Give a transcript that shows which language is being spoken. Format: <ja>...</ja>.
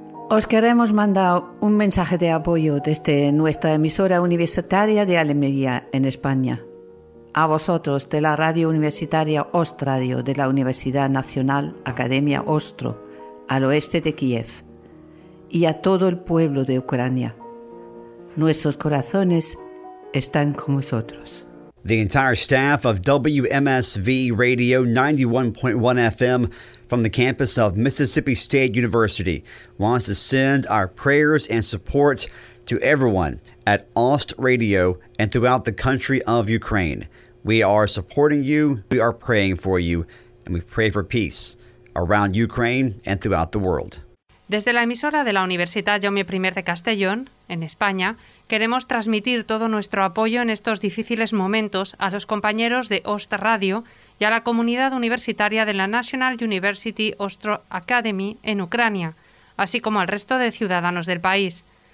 <es>Os queremos mandar un mensaje de apoyo desde nuestra emisora universitaria de Almería, en España. A vosotros, de la radio universitaria Ostradio de la Universidad Nacional Academia Ostro, al oeste de Kiev, y a todo el pueblo de Ucrania. Nuestros corazones están con vosotros.</es> <en>The entire staff of WMSV Radio 91.1 FM from the campus of Mississippi State University wants to send our prayers and support to everyone at Ost Radio and throughout the country of Ukraine. We are supporting you, we are praying for you, and we pray for peace around Ukraine and throughout the world.</en> <es>Desde la emisora de la Universidad Jaume I de Castellón, en España, queremos transmitir todo nuestro apoyo en estos difíciles momentos a los compañeros de Host Radio y a la comunidad universitaria de la National University Ostro Academy en Ucrania, así como al resto de ciudadanos del país.</es>